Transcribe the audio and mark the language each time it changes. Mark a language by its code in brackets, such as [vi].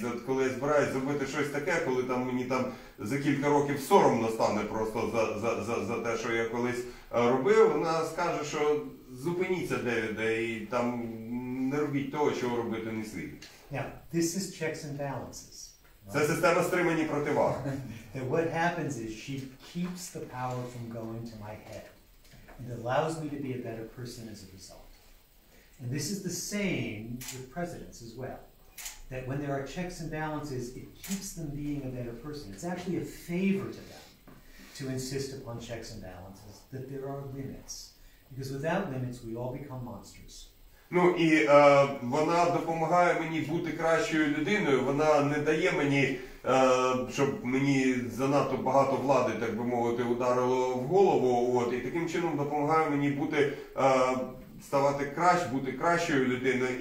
[uk] І от коли я збираюсь зробити щось таке, коли там мені там за кілька років соромно стане просто за те, що я колись робив, вона скаже, що зупиніться, Девіде, і там не робіть того, чого робити не слід. [en] Now, this is checks and balances. [uk] Це система стримані противаг. [en] That what happens is she keeps the power from going to my head and allows me to be a better person as a result. And this is the same with presidents as well. That when there are checks and balances, it keeps them being a better person. It's actually a favor to them to insist upon checks and balances, that there are limits. Because without limits, we all become monsters. [uk] Ну і вона допомагає мені бути кращою людиною, вона не дає мені, щоб мені занадто багато влади, так би мовити, ударило в голову, от, і таким чином допомагає мені бути, ставати краще, бути кращою людиною.